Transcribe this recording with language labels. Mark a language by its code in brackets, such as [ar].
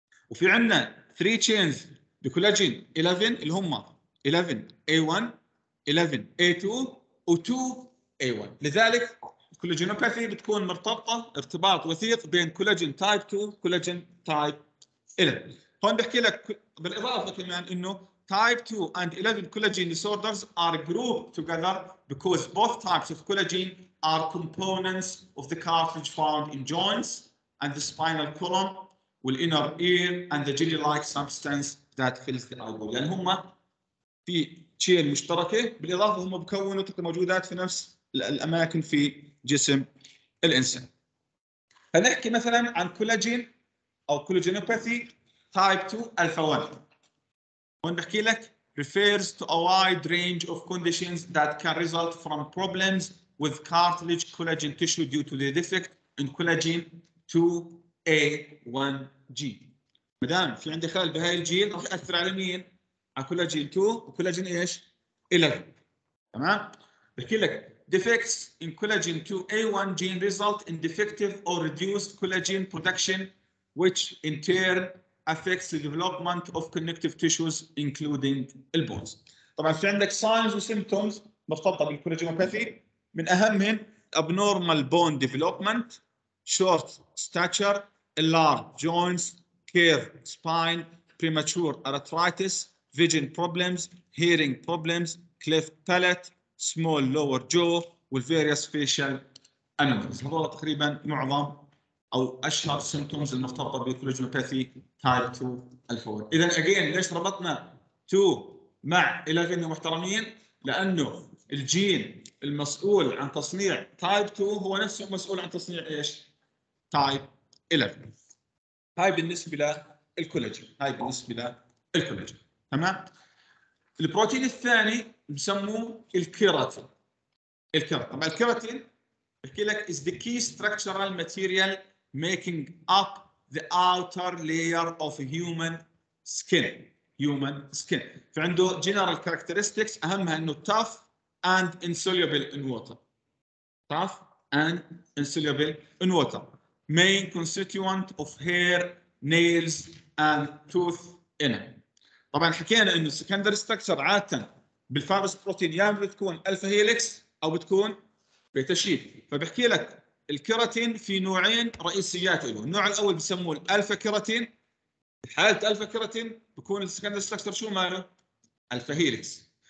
[ar] وفي عندنا 3 chains بكولاجين 11 اللي هم 11A1 11A2 و 2A1. لذلك الكولاجينوباثي بتكون مرتبطة ارتباط وثيق بين كولاجين تايب 2 كولاجين تايب 11. هون بحكي لك بالإضافة كمان إنه تايب 2 [en] and 11 collagen disorders are grouped together because both types of collagen are components of the cartilage found in joints and the spinal column والinner ear and the jelly-like substance that fills the elbow. [ar] يعني هم في شيء مشتركة بالإضافة هم بكونوا تلك الموجودات في نفس الأماكن في جسم الإنسان. فنحكي مثلا عن كولاجين أو كولاجينوباثي تايب 2 ألفا 1. وين بحكي لك [en] refers to a wide range of conditions that can result from problems with cartilage collagen tissue due to the defect in collagen 2A1G. [ar] مدام في عندي خلل بهاي الجين راح يأثر على مين؟ على كولاجين 2 وكولاجين ايش؟ 11. تمام؟ بحكي لك [en] defects in collagen 2A1 gene result in defective or reduced collagen production which in turn affects the development of connective tissues including the bones. [ar] طبعا في عندك [en] signs and symptoms [ar] مرتبطة بالكولاجينوباثي، من أهمهم [en] abnormal bone development, short stature, enlarged joints, curved spine, premature arthritis, vision problems, hearing problems, cleft palate, small lower jaw, with various facial anomalies. [ar] هذول تقريبا معظم او اشهر سيمتومز المرتبطه بالكولاجينوباثي تايب 2 الفور. اذا اجين ليش ربطنا 2 مع 11 يا محترمين؟ لانه الجين المسؤول عن تصنيع تايب 2 هو نفسه مسؤول عن تصنيع ايش؟ تايب 11. هاي بالنسبه للكولاجين، هاي بالنسبه للكولاجين. تمام؟ البروتين الثاني بسموه الكيراتين. الكيراتين، طبعا الكيراتين بحكي لك [en] is the key structural material making up the outer layer of human skin. Human skin. [ar] فعنده [en] general characteristics [ar] أهمها إنه [en] tough and insoluble in water. Tough and insoluble in water. Main constituent of hair, nails and tooth enamel. [ar] طبعا حكينا إنه secondary structure عادة بالفايبرس بروتين يا بتكون الفا هيليكس او بتكون بيتا شيت. فبحكي لك الكيراتين في نوعين رئيسيات له. النوع الاول بسموه الالفا كيراتين. حاله الفا كيراتين بكون السكندري ستراكشر شو ماله؟ الفا هيليكس.